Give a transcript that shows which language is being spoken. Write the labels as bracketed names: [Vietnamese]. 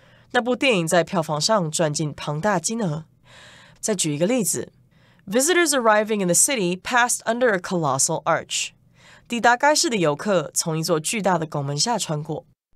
[Chinese] 那部电影在票房上赚进庞大金额。再举一个例子。 [English] Visitors arriving in the city passed under a colossal arch. [Chinese] 抵达该市的游客从一座巨大的拱门下穿过。